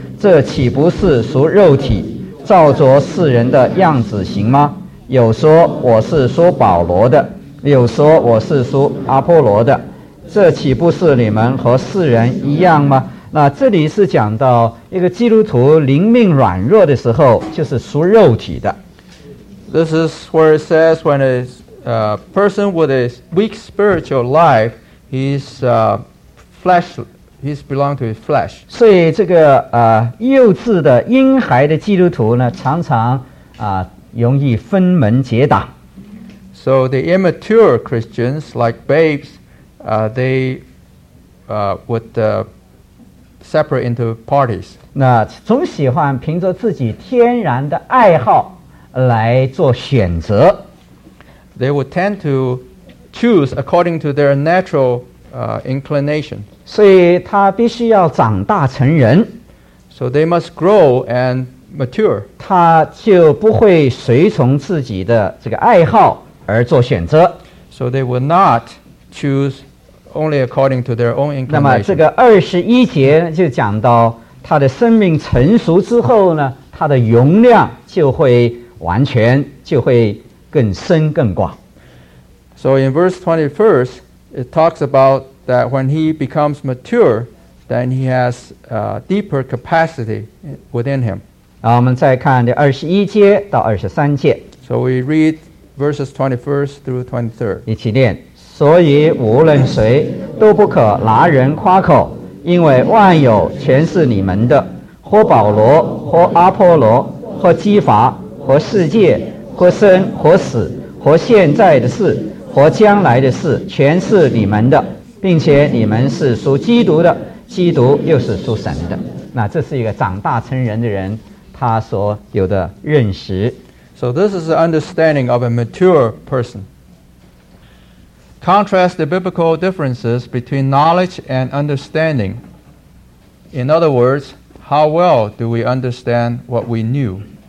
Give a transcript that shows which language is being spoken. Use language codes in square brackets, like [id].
[zh] 这岂不是属肉体照着世人的样子行吗？有说我是属保罗的，有说我是属阿波罗的，这岂不是你们和世人一样吗？那这里是讲到一个基督徒灵命软弱的时候，就是属肉体的。 [en] This is where it says when a person with a weak spiritual life, he's flesh, he's belong to his flesh. [zh] 所以这个幼稚的婴孩的基督徒呢，常常容易分门结党。 [en] So the immature Christians, like babes, they would separate into parties. [zh] 那总喜欢凭着自己天然的爱好来做选择。 [en] They would tend to choose according to their natural inclination. [zh] 所以他必须要长大成人。 [en] So they must grow and mature. [zh] 他就不会随从自己的这个爱好而做选择。 [en] So they would not choose only according to their own inclination. [zh] 那么这个二十一节就讲到他的生命成熟之后呢，他的容量就会完全，就会更深更广。 [en] So in verse 21st, it talks about that when he becomes mature, then he has a deeper capacity within him. [zh] 啊，我们再看第二十一节到二十三节。 [en] So we read verses 21st through 23rd. [zh] 一起念。所以无论谁都不可拿人夸口，因为万有全是你们的，或保罗，或阿波罗，或基法，和世界，和生，和死，和现在的事，和将来的事，全是你们的，并且你们是属基督的，基督又是属神的。那这是一个长大成人的人他所有的认识。 [en] So this is the understanding of a mature person. Contrast the biblical differences between knowledge and understanding. In other words, how well do we understand what we knew?